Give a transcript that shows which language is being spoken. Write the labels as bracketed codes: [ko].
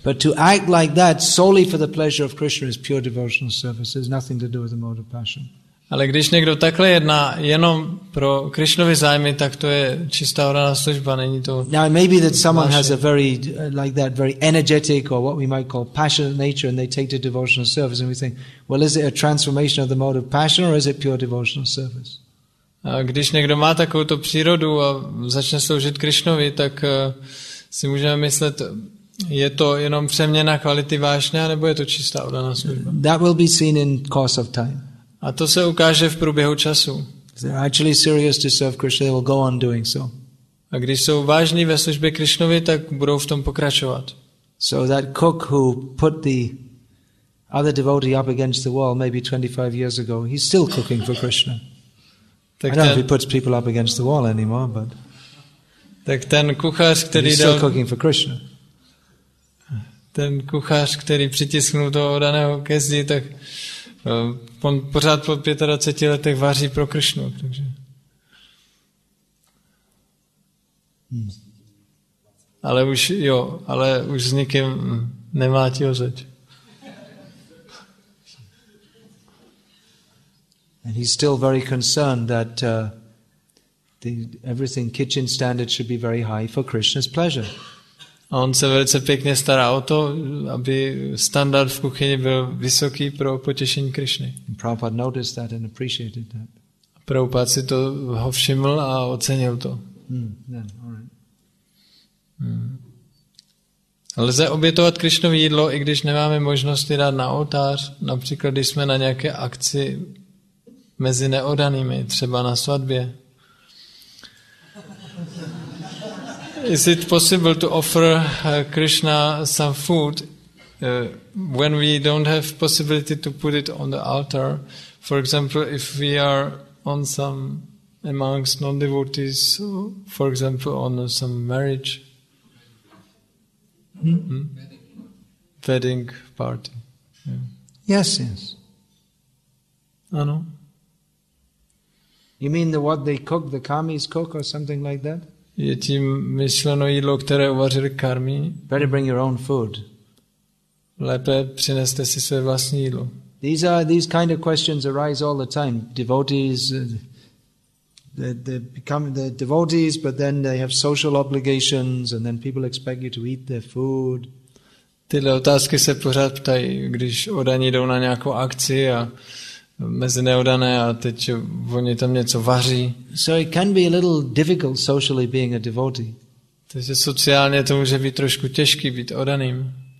[en] But to act like that solely for the pleasure of Krishna is pure devotional service. There's nothing to do with the mode of passion. [cs] Ale když někdo takhle jedná jenom pro Krišnovy zájmy, tak to je čistá oraná služba, není to. [en] Now maybe that someone has a very like that very energetic or what we might call passionate nature and they take to devotional service and we think, well, is it a transformation of the mode of passion or is it pure devotional service? [cs] A když někdo má takovouto přírodu a začne sloužit Krišnovi, tak si můžeme myslet, je to jenom přeměna kvality vášně, nebo je to čistá oddaná služba? [en] That will be seen in course of time. [cs] A to se ukáže v průběhu času. [en] If they're actually serious to serve Krishna, they will go on doing so. [cs] A když jsou vážní ve službě Krišnovi, tak budou v tom pokračovat. [en] So that cook who put the other devotee up against the wall maybe 25 years ago, he's still cooking for Krishna. Tak I don't know if he puts people up against the wall anymore, but [cs] tak ten kuchař, který [en] he's still cooking for Krishna. [cs] Ten kuchař, který přitisknul toho daného ke zdi, tak on pořád po 25 letech vaří pro Krishnu, takže. Ale už jo, ale už s nikým nemá tího zeď. [en] And he's still very concerned that everything kitchen standard should be very high for Krishna's pleasure. [cs] On se velice pěkně stará o to, aby standard v kuchyni byl vysoký pro potěšení Krišny. [en] Prabhupada noticed that and appreciated that. [cs] Prabhupada si to ho všiml a ocenil to. [en] Then, all right. [cs] Lze obětovat Krišnovi jídlo, i když nemáme možnost je dát na oltář, například když jsme na nějaké akci mezi neodanými, třeba na svatbě. [en] Is it possible to offer Krishna some food when we don't have possibility to put it on the altar? For example, if we are on some amongst non-devotees, for example, on some marriage, wedding party. Yeah. Yes, yes. [cs] Ano. [en] You mean the what they cook, the karmis cook, or something like that? [cs] Je tím myšleno jídlo, které uvařili karmi. [en] Better bring your own food. [cs] Lépe přineste si své vlastní jídlo. [en] These kind of questions arise all the time. Devotees, they become the devotees, but then they have social obligations, and then people expect you to eat their food. [cs] Tyhle otázky se pořád ptají, když odaní jdou na nějakou akci a mezi neodané a teď oni tam něco vaří. [en] So it can be a little difficult socially being a devotee. [cs] Takže sociálně to může být trošku těžký být odaným.